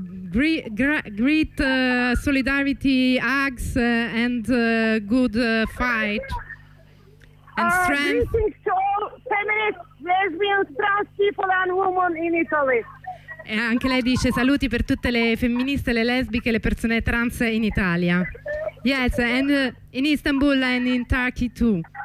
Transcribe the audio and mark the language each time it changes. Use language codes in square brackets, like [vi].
[en] Great solidarity, hugs and good fight. And greetings to all feminists, lesbians, trans people and women in Italy. [it] E anche lei dice saluti per tutte le femministe, le lesbiche, le persone trans in Italia. [en] Yes, and in Istanbul and in Turkey too.